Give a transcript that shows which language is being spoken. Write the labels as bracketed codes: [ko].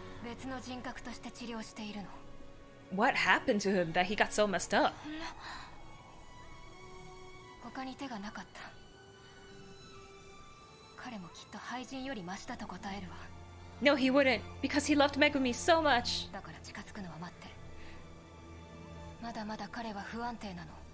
[ja] 別の人格として治療しているの。 [en] What happened to him that he got so messed up? [ja] 他に手がなかった。彼もきっと廃人よりマシだと答えるわ。 [en] No, he wouldn't, because he loved Megumi so much. [ja] だから近づくのは待って。まだまだ彼は不安定なの。